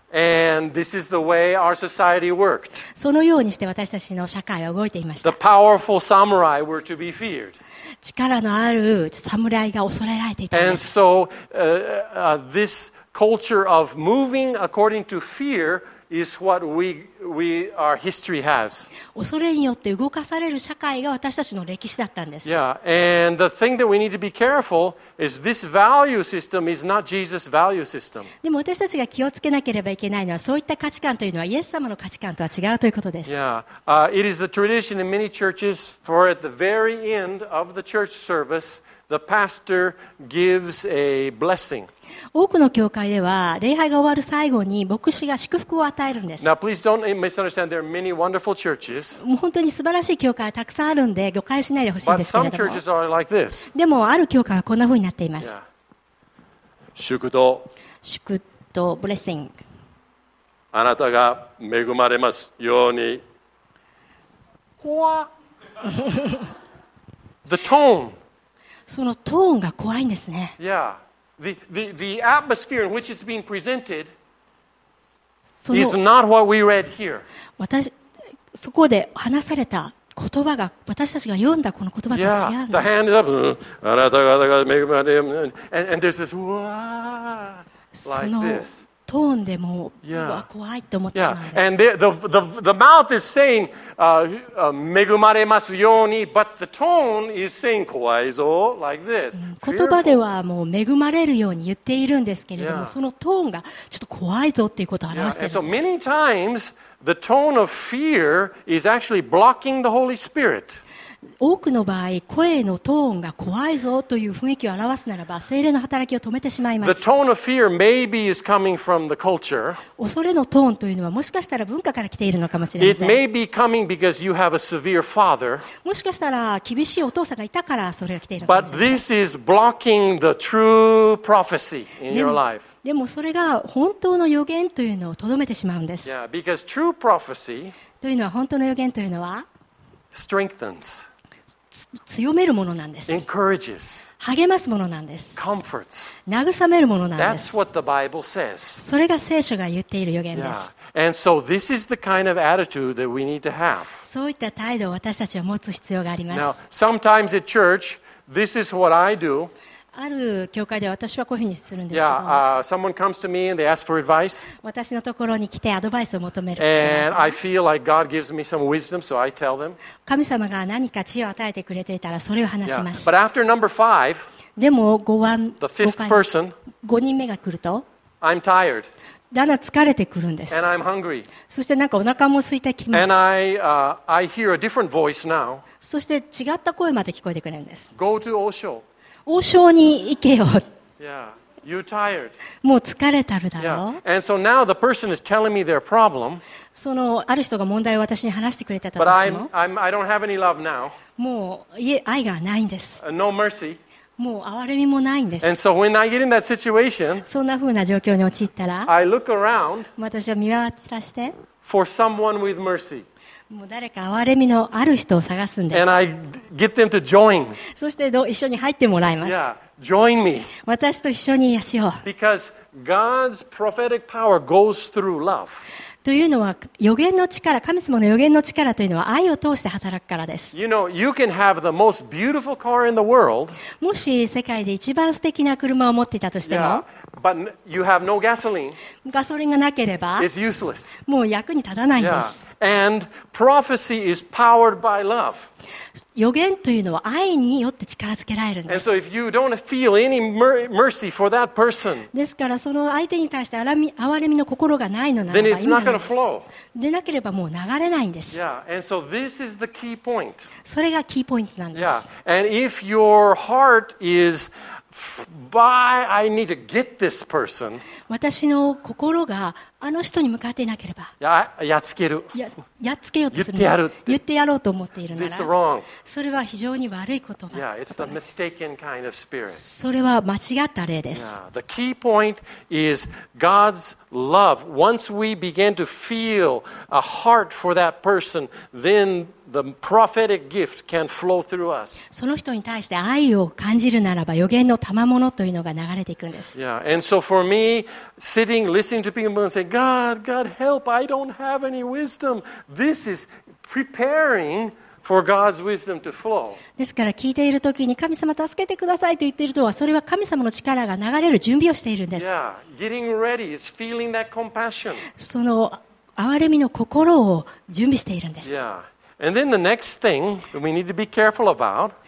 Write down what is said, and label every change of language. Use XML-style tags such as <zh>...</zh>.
<en>And this is the way our society worked.</en> <ja>そのようにして私たちの社会は動いていました。</ja> <en>The powerful samurai were to be feared.</en> <ja>力のある侍が恐れられていたんです。</ja> <en>And so, this culture of moving according to fear. Is what we our history has.</en> <ja>恐れによって動かされる社会が私たちの歴史だったんです。</ja> <en>Yeah, and the thing that we need to be careful is this value system is not Jesus' value system.</en> <ja>でも私たちが気をつけなければいけないのはそういった価値観というのはイエス様の価値観とは違うということです。</ja> <en>Yeah, it is the tradition in many churches for at the very end of the church service. The pastor gives a blessing.</en> <ja>多くの教会では礼拝が終わる最後に牧師が祝福を与えるんです。</ja> <en>Now, please don't misunderstand. There are many wonderful churches.</en> <ja>本当に素晴らしい教会はたくさんあるんで誤解しないでほしいんですけれども。</ja> <en>But some churches are like this.</en> <ja>でもある教会はこんな風になっています。祝祷。祝祷、blessing。あなたが恵まれますように。怖っ。</ja> <en>The tone.</en> <ja>そのトーンが怖いんですね。</ja> <en>Yeah. The atmosphere in which it's being presented is not what we read here.</en> <ja>そこで話された言葉が私たちが読んだこの言葉と違うんです。</ja> <en>Yeah. The hand is up.</en> <ja>あなた方が恵まれる。</ja> <en>And there's this, wow, like this.</en> <ja>トーンでも、yeah. 怖いと思ってしまうんです。</ja> <en>Yeah. And the mouth is saying,</en> <ja>恵まれますように,</ja> <en>but the tone is saying,</en> <ja>怖いぞ,</ja> <en>like this.</en> <ja>言葉ではもう恵まれるように言っているんですけれども、yeah. そのトーンがちょっと怖いぞっていうことを表しているんです。 Yeah.</ja> <en>And so many times, the tone of fear is actually blocking the Holy Spirit.</en> <ja>多くの場合声のトーンが怖いぞという雰囲気を表すならば聖霊の働きを止めてしまいます。</ja> <en>The tone of fear maybe is coming from the culture.</en> <ja>恐れのトーンというのはもしかしたら文化から来ているのかもしれません。</ja> <en>It may be coming because you have a severe father.</en> <ja>もしかしたら厳しいお父さんがいたからそれが来ているのかもしれません。</ja> <en>But this is blocking the true prophecy in your life.</en> <ja>でもそれが本当の予言というのをとどめてしまうんです。</ja> <en>Yeah, because true prophecy</en> <ja>というのは本当の予言というのは</ja> <en>strengthens.</en> <ja>強めるものなんです。</ja> <en>Encourages.</en> <ja>励ますものなんです。</ja> <en>Comforts.</en> <ja>慰めるものなんです。</ja> <en>That's what the Bible says.</en> <ja>それが聖書が言っている予言です。</ja> <en>Yeah. And so this is the kind of attitude that we need to have.</en> <ja>そういった態度を私たちは持つ必要があります。</ja> <en>Now, sometimes at church, this is what I do.</en> <ja>ある教会では私はこういうふうにするんですけど、</ja> <en>yeah, someone comes to me and they ask for advice.</en> <ja>私のところに来てアドバイスを求める。</ja> <en>And I feel like God gives me some wisdom, so I tell them.</en> <ja>神様が何か知恵を与えてくれていたらそれを話します。</ja> <en>Yeah. But after number five,</en> <ja>でも5番、</ja> <en>the fifth person,</en> <ja>5人目が来ると</ja> <en>I'm tired.</en> <ja>だんだん疲れてくるんです。</ja> <en>And I'm hungry.</en> <ja>そしてなんかお腹も空いてきます。</ja> <en>And I hear a different voice now.</en> <ja>そして違った声まで聞こえてくれるんです。</ja> <en>Go to Osho.</en> <ja>王将に行けよ。</ja> <en>Yeah, you're tired.</en> <ja>もう疲れたるだろ。</ja> <en>Yeah. And so now the person is telling me their problem.</en> <ja>そのある人が問題を私に話してくれたとしても。</ja> <en>But I don't have any love now.</en> <ja>もう愛がないんです。</ja> <en>No mercy.</en> <ja>もう憐れみもないんです。</ja> <en>And so when I get in that situation,</en> <ja>そんな風な状況に陥ったら、</ja> <en>I look around.</en> <ja>私は見渡して、</ja> <en>for someone with mercy.</en> <ja>もう誰か憐れみのある人を探すんです。</ja> <en>And I get them to join.</en> <ja>そして一緒に入ってもらいます。</ja> <en>Yeah, join me.</en> <ja>私と一緒にしよう。</ja> <en>Because God's prophetic power goes through love.</en> <ja>というのは預言の力、神様の預言の力というのは愛を通して働くからです。</ja> <en>You know, you can have the most beautiful car in the world.</en> <ja>もし世界で一番素敵な車を持っていたとしても、</ja> <en>yeah. But you have no gasoline.</en> <ja>ガソリンがなければ、</ja> <en>it's useless.</en> <ja>もう役に立たないんです。</ja> <en>Yeah. And prophecy is powered by love.</en> <ja>預言というのは愛によって力づけられるんです。</ja> <en>And so if you don't feel any mercy for that person,</en> <ja>ですからその相手に対して憐れみの心がないのならば、</ja> <en>then it's not going to flow.</en> <ja>でなければもう流れないんです。</ja> <en>Yeah. And so this is the key point.</en> <ja>それがキーポイントなんです。</ja> <en>Yeah. And if your heart is By, I need to get this person.</en> <ja>私の心があの人に向かっていなければ、やっつける。やっつけようとする。言ってやる。言ってやろうと思っているなら、</ja> <en>This is wrong.</en> <ja>それは非常に悪いことだ。</ja> <en>Yeah, it's the mistaken kind of spirit.</en> <ja>それは間違った例です。</ja> <en>Yeah, the key point is God's love. Once we begin to feel a heart for that person, then the prophetic gift can flow through us.</en> <ja>その人に対して愛を感じるならば、預言の賜物というのが流れていくんです。</ja> <en>Yeah, and so for me, sitting, listening to people and say, God, God help, I don't have any wisdom. This is preparing for God's wisdom to flow.</en> <ja>ですから聞いているときに神様助けてくださいと言っているとは、それは神様の力が流れる準備をしているんです。</ja> <en>Yeah, getting ready is feeling that compassion.</en> <ja>その憐れみの心を準備しているんです。</ja> <en>Yeah. And then the next thing we need to be careful about.</en>